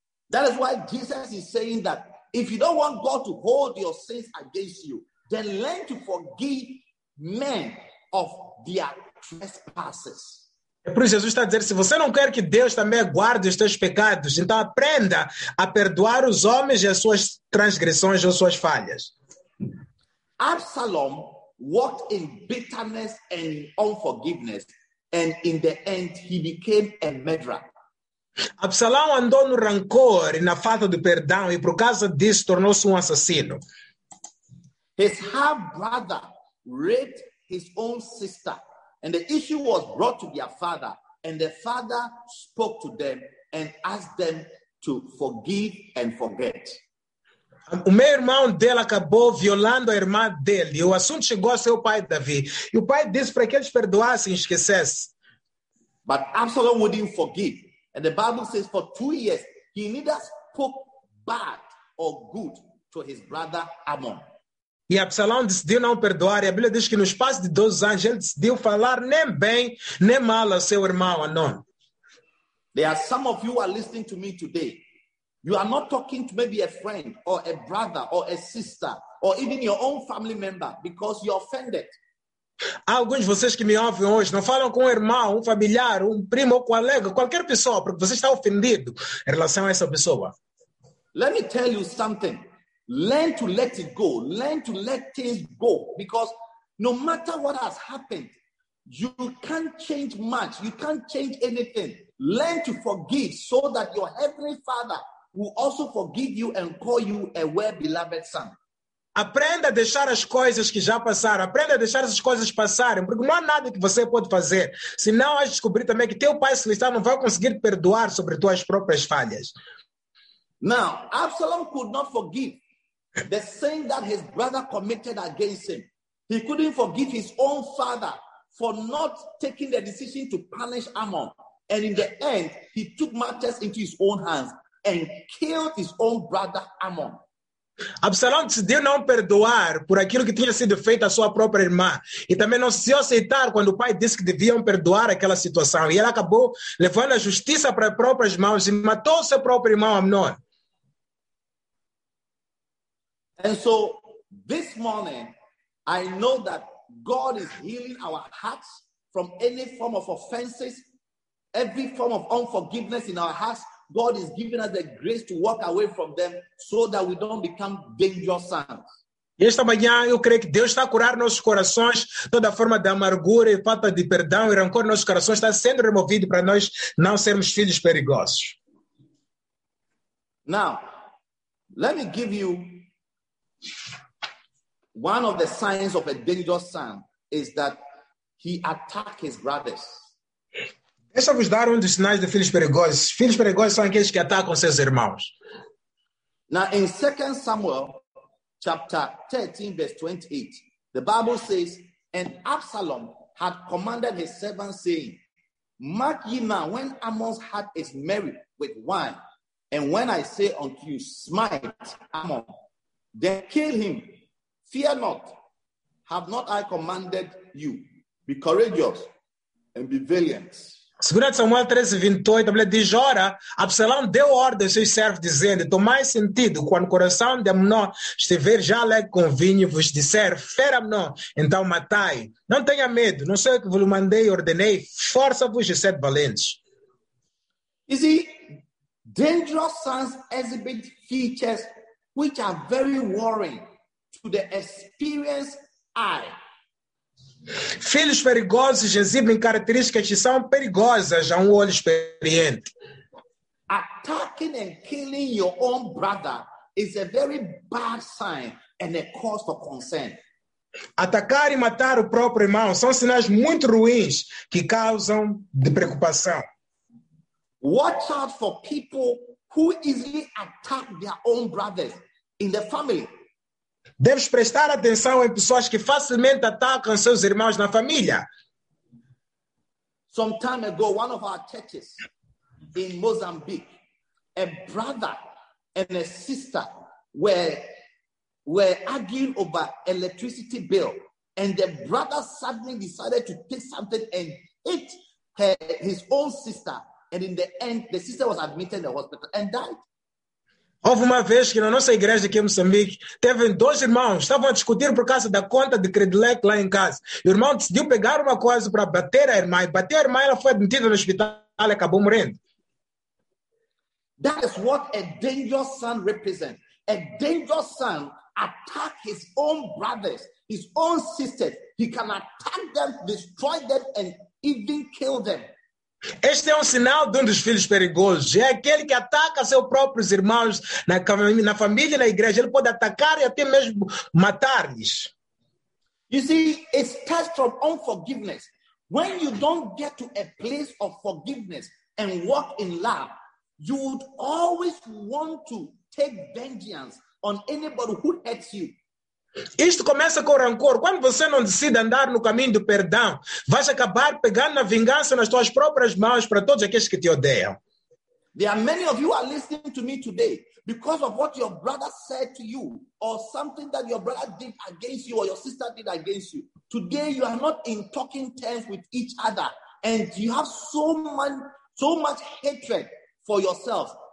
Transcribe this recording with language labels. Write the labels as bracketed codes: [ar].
[en] That is why Jesus is saying that if you don't want God to hold your sins against you, then learn to forgive men of their trespasses. [pt] É por isso que Jesus está dizendo, se você não quer que Deus também guarde os teus pecados, então aprenda a perdoar os homens e as suas transgressões e as suas falhas. [en] Absalom walked in bitterness and unforgiveness, and in the end he became a murderer. [pt] Absalom andou no rancor e na falta de perdão e por causa disso tornou-se um assassino. [en] His half-brother raped his own sister. And the issue was brought to their father, and the father spoke to them and asked them to forgive and forget. [pt] O meu irmão dele acabou violando a irmã dele. O assunto chegou ao seu pai, Davi. E o pai disse para que eles perdoassem e esquecessem. [en] But Absalom wouldn't forgive. And the Bible says for 2 years, he neither spoke bad or good to his brother Amnon. [pt] E Absalão decidiu não perdoar. E a Bíblia diz que no espaço de 12 anos ele decidiu falar nem bem, nem mal ao seu irmão Amnon. [en] There are some of you who are listening to me today. You are not talking to maybe a friend or a brother or a sister or even your own family member because you're offended. [pt] Há alguns de vocês que me ouvem hoje não falam com um irmão, um familiar, um primo ou um colega, qualquer pessoa, porque você está ofendido em relação a essa pessoa. [en] Let me tell you something. Learn to let it go. Learn to let things go. Because no matter what has happened, you can't change much. You can't change anything. Learn to forgive so that your heavenly Father will also forgive you and call you a well-beloved son. [pt] Aprenda a deixar as coisas que já passaram. Aprenda a deixar as coisas passarem. Porque não há nada que você pode fazer. Senão, vai descobrir também que teu Pai Celestial não vai conseguir perdoar sobre tuas próprias falhas. [en] Now, Absalom could not forgive the sin that his brother committed against him. He couldn't forgive his own father for not taking the decision to punish Amnon. And in the end, he took matters into his own hands and killed his own brother Amnon. [pt] Absalão decidiu não perdoar por aquilo que tinha sido feito à sua própria irmã e também não se aceitar quando o pai disse que deviam perdoar aquela situação. E ela acabou levando a justiça para as próprias mãos e matou seu próprio irmão Amnon. [en] And so this morning, I know that God is healing our hearts from any form of offenses, every form of unforgiveness in our hearts. God is giving us the grace to walk away from them so that we don't become dangerous sons. [pt] Esta manhã eu creio que Deus está a curar nossos corações, toda forma de amargura e falta de perdão e rancor nos nossos corações está sendo removido para nós não sermos filhos perigosos. [en] Now, let me give you one of the signs of a dangerous son is that he attacks his brothers. [pt] Deixa eu vos dar um dos sinais de filhos perigosos. Filhos perigosos são aqueles que atacam seus irmãos. [en] Now, in 2 Samuel, chapter 13, verse 28, the Bible says, and Absalom had commanded his servants, saying, mark ye now, when Ammon's heart is merry with wine, and when I say unto you, smite Ammon, then kill him. Fear not, have not I commanded you? Be courageous and be valiant. [pt] 2 Samuel 13, 28, a Bíblia diz, ora, Absalão deu ordem aos seus servos, dizendo, tomai sentido, quando o coração de Amnon estiver já alegre com vinho, vos disser, fera Amnon, então matai. Não tenha medo, não sei o que vos mandei e ordenei, força-vos e sede valentes. [en] You see, dangerous sons exhibit features which are very worrying to the experienced eye. [pt] Filhos perigosos exibem características que são perigosas a um olho experiente. [en] Attacking and killing your own brother is a very bad sign and a cause for concern. [pt] Atacar e matar o próprio irmão são sinais muito ruins que causam de preocupação. [en] Watch out for people who easily attack their own brothers in the family. [pt] Deves prestar atenção em pessoas que facilmente atacam seus irmãos na família. [en] Some time ago, one of our churches in Mozambique, a brother and a sister were arguing over electricity bill, and the brother suddenly decided to take something and hit his own sister, and in the end, the sister was admitted in the hospital and died. [pt] Houve uma vez que na nossa igreja aqui em Moçambique, teve dois irmãos, estavam a discutir por causa da conta de Credilec lá em casa. E o irmão decidiu pegar uma coisa para bater a irmã, e bater a irmã, ela foi admitida no hospital e acabou morrendo. [en] That is what a dangerous son represents. A dangerous son attacks his own brothers, his own sisters. He can attack them, destroy them, and even kill them. [pt] Este é um sinal de um dos filhos perigosos. É aquele que ataca seus próprios irmãos na família, na igreja. Ele pode atacar e até mesmo matar-lhes. [en] You see, it starts from unforgiveness. When you don't get to a place of forgiveness and walk in love, you would always want to take vengeance on anybody who hurts you. [pt] Isto começa com rancor. Quando você não decide andar no caminho do perdão, vais acabar pegando a vingança nas tuas próprias mãos para todos aqueles que te odeiam. [en] There are many of you are listening to me today because of what your brother said to you or something that your brother did against you or your sister did against you. Today you are not in talking terms with each other and you have so much hatred for yourself.